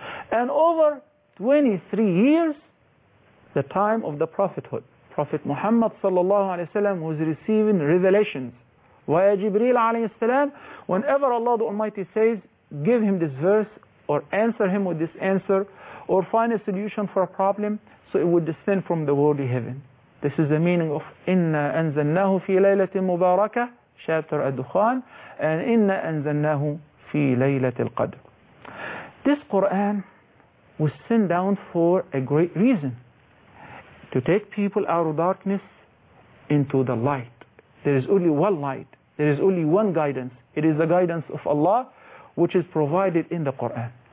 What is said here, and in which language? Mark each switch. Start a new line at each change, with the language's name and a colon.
English: And over 23 years, the time of the prophethood, Prophet Muhammad sallallahu alayhi wa sallam was receiving revelations via Jibreel alayhi wa sallam. Whenever Allah the Almighty says, give him this verse, or answer him with this answer, or find a solution for a problem, so it would descend from the worldly heaven. This is the meaning of
Arabic: إِنَّا أَنزَلْنَاهُ فِي لَيْلَةٍ مُبَارَكَةٍ chapter الدخان and إِنَّا أَنزَلْنَاهُ فِي لَيْلَةِ الْقَدْرِ.
English: This Quran was sent down for a great reason, to take people out of darkness into the light. There is only one light. There is only one guidance. It is the guidance of Allah, which is provided in the Quran.